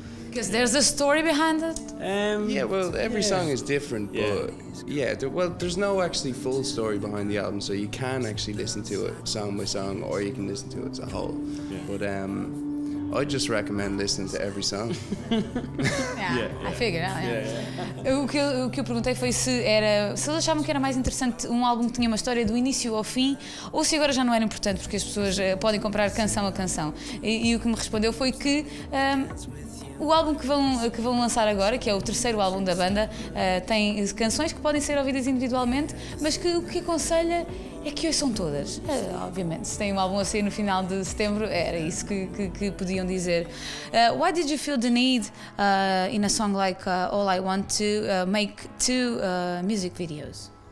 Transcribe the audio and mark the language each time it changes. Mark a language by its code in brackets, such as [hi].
[en] Because there's a story behind it? Song is different, but there's no actually full story behind the album, so you can actually listen to it song by song, or you can listen to it as a whole. Yeah. But I just recommend listening to every song. I figured out. Yeah. [pt] O que eu perguntei foi se eles achavam que era mais interessante um álbum que tinha uma história do início ao fim, ou se agora já não era importante, porque as pessoas podem comprar canção a canção. E o que me respondeu foi que... O álbum que vão lançar agora, que é o terceiro álbum da banda, tem canções que podem ser ouvidas individualmente, mas que o que aconselha é que ouçam todas. Obviamente, se tem um álbum assim no final de setembro, era isso que podiam dizer. [en] Why did you feel the need in a song like All I Want to make two music videos?